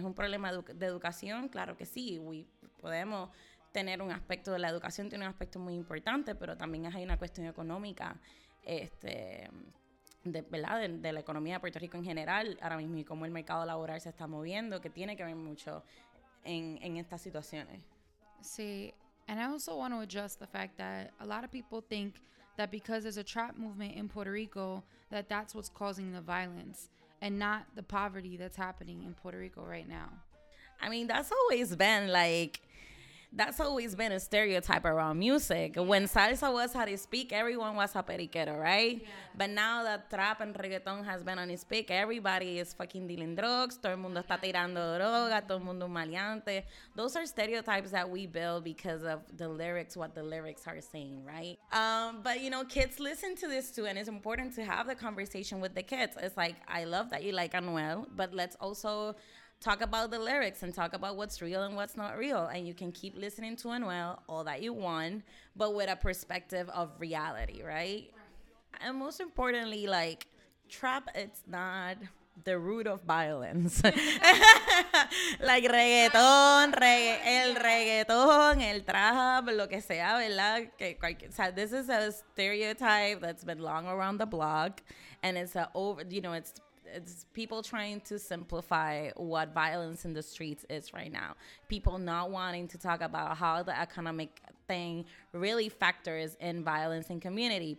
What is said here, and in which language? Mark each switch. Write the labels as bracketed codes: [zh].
[es] Es un problema de educación, claro que sí. Podemos tener un aspecto de la educación, tiene un aspecto muy importante, pero también hay una cuestión económica ¿verdad? De la economía de Puerto Rico en general ahora mismo y cómo el mercado laboral se está moviendo, que tiene que ver mucho en estas situaciones. [en] Sí, and I also want to address the fact that a lot of people think that because there's a trap movement in Puerto Rico, that's what's causing the violence. And not the poverty that's happening in Puerto Rico right now. I mean, that's always been like that's always been a stereotype around music. Yeah. When salsa was at its peak, everyone was a periquero, right? Yeah. But now that trap and reggaeton has been on its peak, everybody is fucking dealing drugs. [es] Todo el mundo está tirando droga. Todo el mundo maleante. [en] Those are stereotypes that we build because of the lyrics, what the lyrics are saying, right? But, you know, kids listen to this too, and it's important to have the conversation with the kids. It's like, I love that you like Anuel, but let's also talk about the lyrics and talk about what's real and what's not real. And you can keep listening to Anuel all that you want, but with a perspective of reality, right? And most importantly, like, trap, it's not the root of violence. [es] Like, reggaeton, el reggaeton, el trap, lo que sea, ¿verdad? [en] So this is a stereotype that's been long around the block, and it's a over, you know, it's people trying to simplify what violence in the streets is right now. People not wanting to talk about how the economic thing really factors in violence in community.